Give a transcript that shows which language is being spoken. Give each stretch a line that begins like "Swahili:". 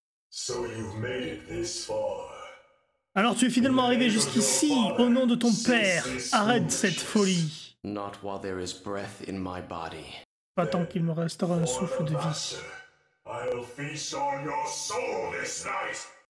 English: So you've made it this far.
French: Alors tu es finalement arrivé jusqu'ici, au nom de ton père. Arrête cette folie.
English: Not while there is breath in my body.
French: Pas tant qu'il me restera un souffle de vie.
English: I'll feast on your soul this night.